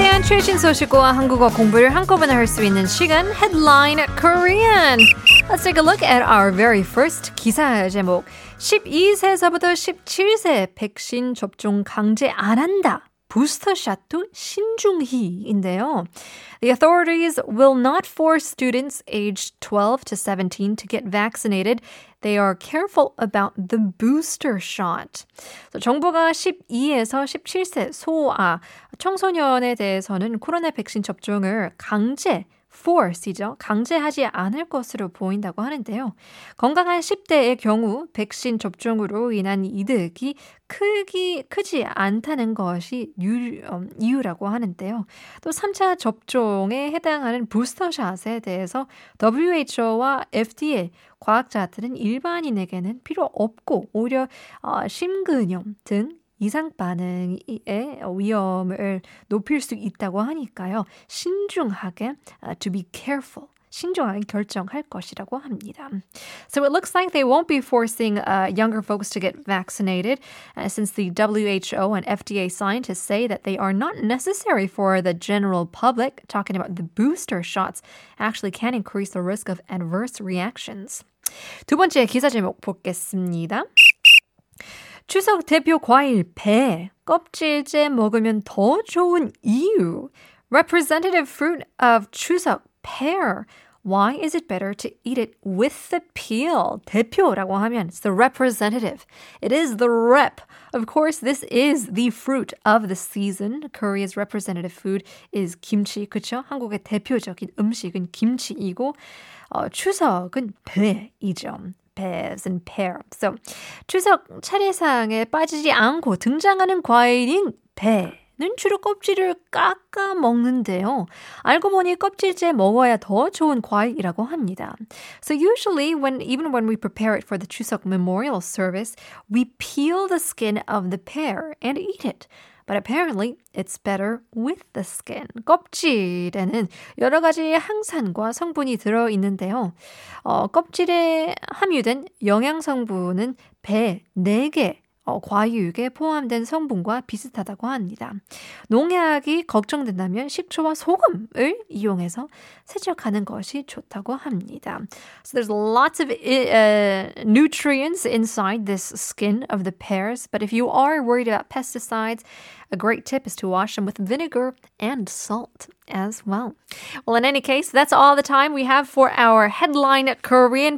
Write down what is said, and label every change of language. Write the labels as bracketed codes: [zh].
[ko] 최신 소식과 한국어 공부를 한꺼번에 할 수 있는 시간, Headline Korean. [en] Let's take a look at our very first [ko] 기사 제목. 12세서부터 17세 백신 접종 강제 안 한다. 부스터샷도 신중히인데요. [en] The authorities will not force students aged 12 to 17 to get vaccinated. They are careful about the booster shot. [ko] So 정부가 12에서 17세 소아 청소년에 대해서는 코로나 백신 접종을 강제 force이죠. 강제하지 않을 것으로 보인다고 하는데요. 건강한 10대의 경우 백신 접종으로 인한 이득이 크지 않다는 것이 이유라고 하는데요. 또 3차 접종에 해당하는 부스터샷에 대해서 WHO와 FDA 과학자들은 일반인에게는 필요 없고 오히려 심근염 등 이상 반응의 위험을 높일 수 있다고 하니까요. 신중하게, [en] to be careful, [ko] 신중하게 결정할 것이라고 합니다. [en] So it looks like they won't be forcing younger folks to get vaccinated since the WHO and FDA scientists say that they are not necessary for the general public. Talking about the booster shots actually can increase the risk of adverse reactions. [ko] 두 번째 기사 제목 보겠습니다. 추석 대표 과일 배, 껍질째 먹으면 더 좋은 이유. [en] Representative fruit of 추석, pear. Why is it better to eat it with the peel? [ko] 대표라고 하면 [en] it's the representative. It is the rep. Of course, this is the fruit of the season. Korea's representative food is kimchi, [ko] 그렇죠? 한국의 대표적인 음식은 김치이고 추석은 배이죠. [en] Peas and pear. [ko] So, 추석 차례상에 빠지지 않고 등장하는 과일인 배는 주로 껍질을 깎아 먹는데요. 알고 보니 껍질째 먹어야 더 좋은 과일이라고 합니다. [en] So usually, even when we prepare it for the 추석 memorial service, we peel the skin of the pear and eat it. But apparently, it's better with the skin. [ko] 껍질에는 여러 가지 항산과 성분이 들어있는데요. 껍질에 함유된 영양 성분은 배 네 개, 과육에 포함된 성분과 비슷하다고 합니다. 농약이 걱정된다면 식초와 소금을 이용해서 세척하는 것이 좋다고 합니다. [en] So there's lots of nutrients inside this skin of the pears. But if you are worried about pesticides, a great tip is to wash them with vinegar and salt as well. Well, in any case, that's all the time we have for our Headline Korean.